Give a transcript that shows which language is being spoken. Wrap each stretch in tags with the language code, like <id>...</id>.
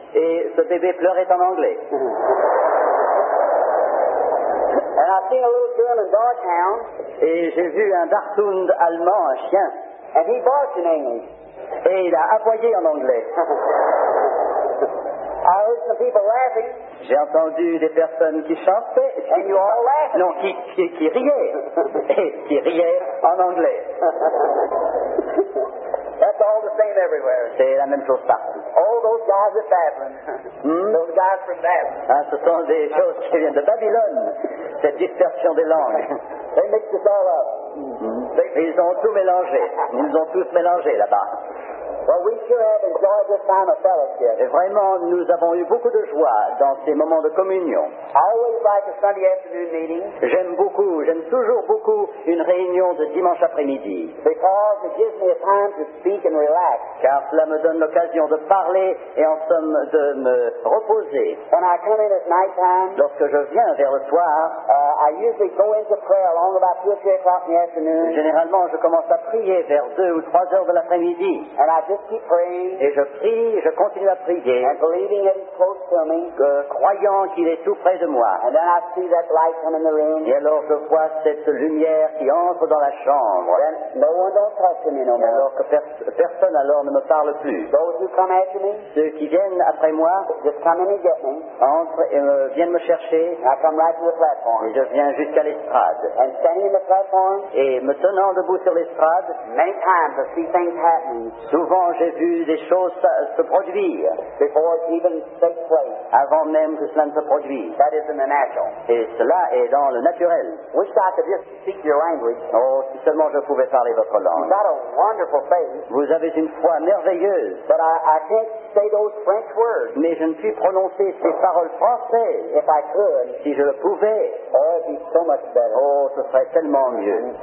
<fr>Et ce bébé pleurait en anglais.</fr> <en>And I've seen a little German dog hound.</en> <fr>Et j'ai vu un Dachshund allemand, un chien.</fr> <en>And he barked in English.</en> <fr>Et il a aboyé en anglais.</fr> <en>I heard some people laughing.</en> <fr>J'ai entendu des personnes qui chantaient.</fr> <en>And you all laughed.</en> <fr>Non, qui riaient. Et qui riaient en anglais.</fr> <en>That's all the same everywhere.</en> <fr>C'est la même chose partout.</fr> <en>All those guys at Babylon. Those guys from Babylon.</en> <fr>Ah, ce sont des choses qui viennent de Babylone. Cette dispersion des langues.</fr> <en>They mixed it all up.</en> <fr>Ils ont tout mélangé. Ils ont tous mélangé là-bas.</fr> <en>Well, we sure have enjoyed this time of fellowship.</en> <fr>Et vraiment, nous avons eu beaucoup de joie dans ces moments de communion.</fr> <en>I always like a Sunday afternoon meeting.</en> <fr>J'aime toujours beaucoup une réunion de dimanche après-midi.</fr> <en>Because it gives me a time to speak and relax.</en> <fr>Car cela me donne l'occasion de parler et en somme de me reposer.</fr> <en>When I come in at night time,</en> <fr>lorsque je viens vers le soir,</fr> <en>I usually go into prayer along about 2 or 3 o'clock in the afternoon.</en> <fr>Généralement, je commence à prier vers 2 ou 3 heures de l'après-midi. Et je prie, je continue à prier,</fr> <en>and believing that he's close to me,</en> <fr>croyant qu'il est tout près de moi.</fr> <en>And then I see that light come in the room.</en> <fr>Et alors je vois cette lumière qui entre dans la chambre.</fr> <en>Then no one don't talk to me no more.</en> <fr>Alors que personne alors ne me parle plus.</fr> <en>Those who come after me,</en> <fr>ceux qui viennent après moi,</fr> <en>just come in and get me.</en> <fr>Entrent et viennent me chercher.</fr> <en>I come right to the platform.</en> <fr>Et je viens jusqu'à l'estrade.</fr> <en>And standing in the platform,</en> <fr>et me tenant debout sur l'estrade,</fr> <en>many times I see things happening.</en> <fr>Souvent, j'ai vu des choses se produire</fr> <en>before it even takes place.</en> <fr>Avant même que cela ne se produise.</fr> <en>That is in the natural.</en> <fr>Et cela est dans le naturel.</fr> <en>Wish I could just speak your language.</en> <fr>Oh, si seulement je pouvais parler votre langue.</fr> <en>You've got a wonderful faith.</en> <fr>Vous avez une foi merveilleuse.</fr> <en>But I can't say those French words.</en> <fr>Mais je ne puis prononcer ces paroles françaises.</fr> <en>If I could,</en> <fr>si je le pouvais,</fr> <en>oh, it'd be so much better.</en> <fr>Oh, ce serait tellement mieux.</fr>